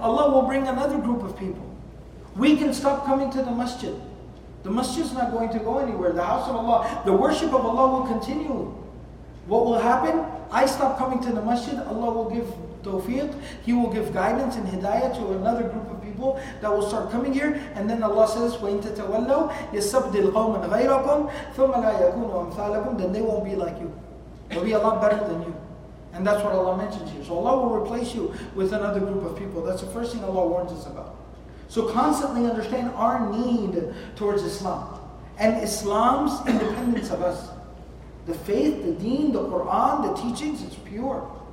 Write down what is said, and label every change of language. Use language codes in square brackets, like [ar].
[en] Allah will bring another group of people. We can stop coming to the masjid. The masjid is not going to go anywhere. The house of Allah, the worship of Allah will continue. What will happen? I stop coming to the masjid, Allah will give tawfiq, He will give guidance and hidayah to another group of people that will start coming here. And then Allah says, [ar] وَإِن تَتَوَلَّوْا يَسَّبْدِ الْقَوْمَ غَيْرَكُمْ ثُمَّ لَا يَكُونُوا أَمْثَالَكُمْ. [en] Then they won't be like you. They'll be a lot better than you. And that's what Allah mentions here. So Allah will replace you with another group of people. That's the first thing Allah warns us about. So constantly understand our need towards Islam and Islam's independence of us. The faith, the deen, the Quran, the teachings, it's pure.